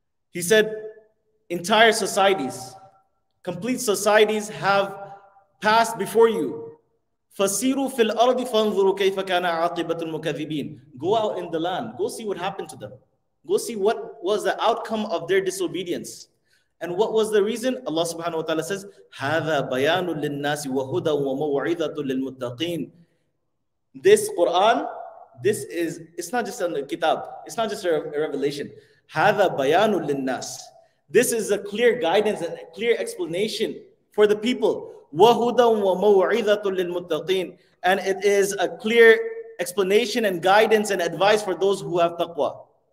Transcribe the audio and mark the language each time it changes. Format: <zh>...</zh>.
<en>He said entire societies, complete societies have passed before you.</en> <ar>فَسِيرُوا فِي الْأَرْضِ فَانْظُرُوا كَيْفَ كَانَ عَاقِبَةُ الْمُكَذِّبِينَ.</ar> <en>Go out in the land. Go see what happened to them. Go see what was the outcome of their disobedience. And what was the reason? Allah subhanahu wa ta'ala says,</en> <ar>هَذَا بَيَانٌ لِلنَّاسِ وَهُدًى وَمَوْعِذَةٌ لِلْمُتَّقِينَ.</ar> <en>This Quran, this is, it's not just a kitab. It's not just a revelation.</en> <ar>هَذَا بَيَانٌ لِلنَّاسِ.</ar> <en>This is a clear guidance and a clear explanation for the people.</en> <ar>وَهُدًى وَمَوْعِذَةٌ لِلْمُتَّقِينَ.</ar> <en>And it is a clear explanation and guidance and advice for those who have taqwa.</en>